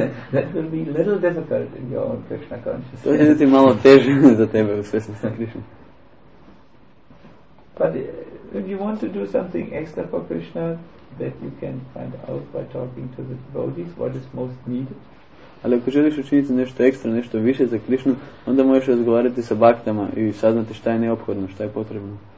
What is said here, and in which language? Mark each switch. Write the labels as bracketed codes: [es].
[en] That will be a little difficult in your own Krishna consciousness. [hr] To je jedan ti malo teže za tebe u svjesnosti Krishna. [en] But if you want to do something extra for Krishna, that you can find out by talking to the devotees what is most needed. [hr] Ali ako želiš učiniti nešto ekstra, nešto više za Krishnu, onda možeš razgovarati sa baktama i saznati šta je neophodno, šta je potrebno.